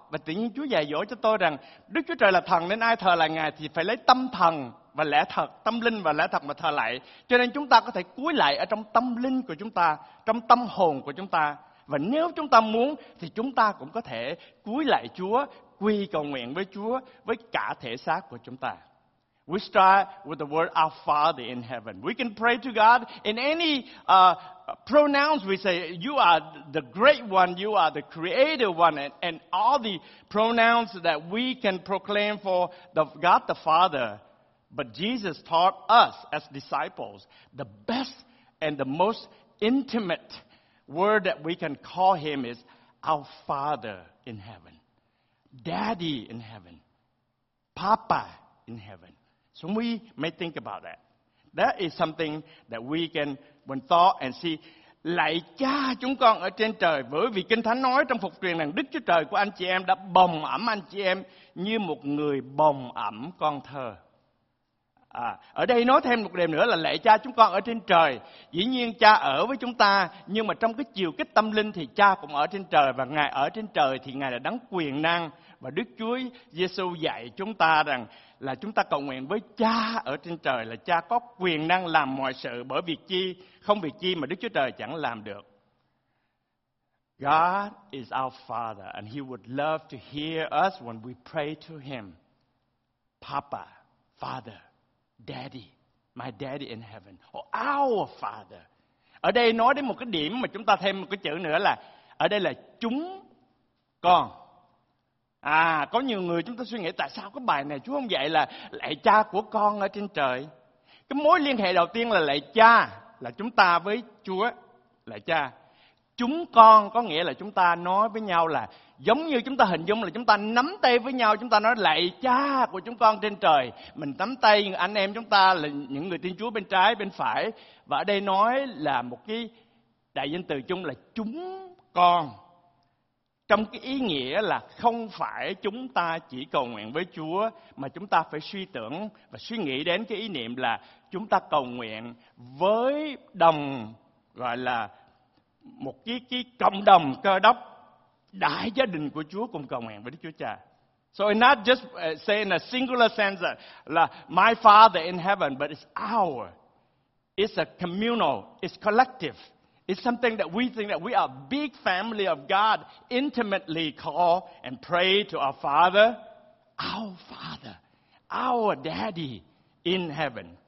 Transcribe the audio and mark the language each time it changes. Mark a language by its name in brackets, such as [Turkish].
[Vietnamese] Và tự nhiên Chúa dạy dỗ cho tôi rằng Đức Chúa Trời là thần nên ai thờ lại Ngài thì phải lấy tâm thần và lẽ thật, tâm linh và lẽ thật mà thờ lại. Cho nên chúng ta có thể cúi lạy ở trong tâm linh của chúng ta, trong tâm hồn của chúng ta. Và nếu chúng ta muốn thì chúng ta cũng có thể cúi lạy Chúa, quy cầu nguyện với Chúa với cả thể xác của chúng ta. [English] We start with the word our Father in heaven. We can pray to God in any pronouns. We say you are the great one, you are the creator one, and all the pronouns that we can proclaim for the God the Father. But Jesus taught us as disciples the best and the most intimate word that we can call him is our Father in heaven. Daddy in heaven, Papa in heaven. So we may think about that. That is something that we can when thought and see. [Vietnamese] Lạy Cha chúng con ở trên trời, bởi vì Kinh Thánh nói trong phục truyền rằng Đức Chúa Trời của anh chị em đã bồng ẩm anh chị em như một người bồng ẩm con thơ. À, ở đây nói thêm một điều nữa là lạy Cha chúng con ở trên trời. Dĩ nhiên Cha ở với chúng ta, nhưng mà trong cái chiều kích tâm linh thì Cha cũng ở trên trời, và Ngài ở trên trời thì Ngài là đấng quyền năng. Và Đức Chúa Giê-xu dạy chúng ta rằng là chúng ta cầu nguyện với Cha ở trên trời là Cha có quyền năng làm mọi sự, bởi việc chi, không việc chi mà Đức Chúa Trời chẳng làm được. [English] God is our Father and He would love to hear us when we pray to Him. Papa, Father, Daddy, my Daddy in heaven, or our Father. [Vietnamese] Ở đây nói đến một cái điểm mà chúng ta thêm một cái chữ nữa là ở đây là chúng con. À, có nhiều người chúng ta suy nghĩ tại sao cái bài này Chúa không dạy là lạy Cha của con ở trên trời. Cái mối liên hệ đầu tiên là lạy Cha, là chúng ta với Chúa, lạy Cha. Chúng con có nghĩa là chúng ta nói với nhau, là giống như chúng ta hình dung là chúng ta nắm tay với nhau, chúng ta nói lạy Cha của chúng con trên trời. Mình nắm tay anh em chúng ta là những người tin Chúa bên trái, bên phải. Và ở đây nói là một cái đại danh từ chung là chúng con. Trong cái ý nghĩa là không phải chúng ta chỉ cầu nguyện với Chúa, mà chúng ta phải suy tưởng và suy nghĩ đến cái ý niệm là chúng ta cầu nguyện với đồng, gọi là một cái cộng đồng cơ đốc, đại gia đình của Chúa cùng cầu nguyện với Đức Chúa Cha. [English] So it's not just saying a singular sense [Vietnamese] là [English] my Father in heaven, but it's our. It's a communal, it's collective. It's something that we think that we are a big family of God, intimately call and pray to our Father, our Father, our Daddy in heaven.